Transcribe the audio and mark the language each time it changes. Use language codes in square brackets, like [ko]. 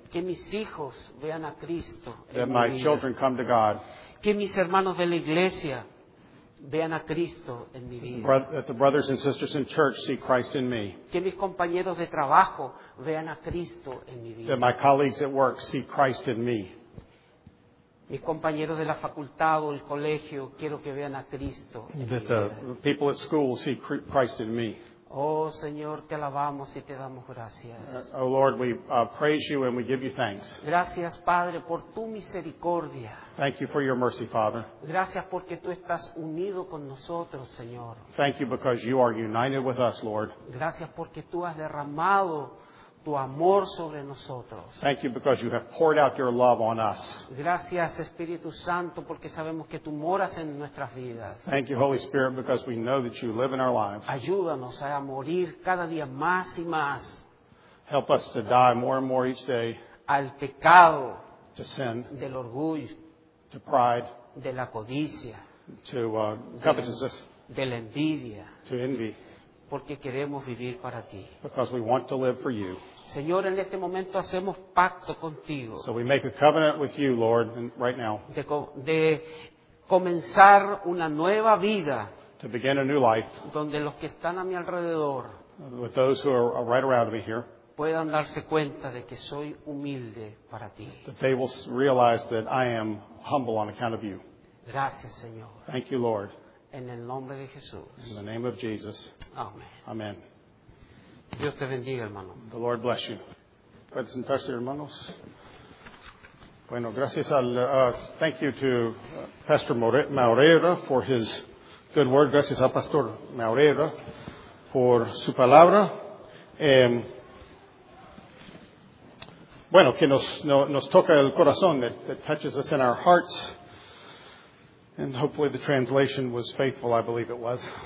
[es] Que mis hijos vean a Cristo en [en] that [es] mi [en] my [es] vida. [en] Children come to God. [es] Que mis hermanos de la iglesia vean a Cristo en mi vida. [en] That the brothers and sisters in church see Christ in me. [es] Que mis compañeros de trabajo vean a Cristo en mi vida. [en] That my colleagues at work see Christ in me. [es] Mis compañeros de la facultad o el colegio, quiero que vean a Cristo en mi vida. [en] That the people at school see Christ in me. [es] Oh, Señor, te alabamos y te damos gracias. [en] Oh, Lord, we praise you and we give you thanks. [es] Gracias, Padre, por tu misericordia. [en] Thank you for your mercy, Father. [es] Gracias porque tú estás unido con nosotros, Señor. [en] Thank you because you are united with us, Lord. [es] Gracias porque tú has derramado tu amor sobre nosotros. [en] Thank you because you have poured out your love on us. [es] Gracias, Espíritu Santo, porque sabemos que tú moras en nuestras vidas. [en] Thank you, Holy Spirit, because we know that you live in our lives. [es] Ayúdanos a morir cada día más y más. [en] Help us to die more and more each day. [es] Al pecado. [en] To sin. [es] Del orgullo. [en] To pride. [es] De la codicia. [en] To covetousness. [es] De la envidia. [en] To envy. [es] Porque queremos vivir para ti. [en] Because we want to live for you. [es] Señor, en este momento hacemos pacto contigo. [en] So we make a covenant with you, Lord, right now. [es] De comenzar una nueva vida. [en] To begin a new life. [es] Donde los que están a mi alrededor. [en] With those who are right around me here. [es] Puedan darse cuenta de que soy humilde para ti. [en] That they will realize that I am humble on account of you. [es] Gracias, Señor. [en] Thank you, Lord. [es] En el nombre de Jesús. [en] In the name of Jesus. [es] Amén. [en] Amen. [es] Dios te bendiga, hermano. [en] The Lord bless you. [es] Puede sentarse, hermanos. Bueno, gracias al... [en] thank you to Pastor Maureira for his good word. [es] Gracias al Pastor Maureira por su palabra. Bueno, que nos toca el corazón. [en] That touches us in our hearts. And hopefully the translation was faithful, I believe it was.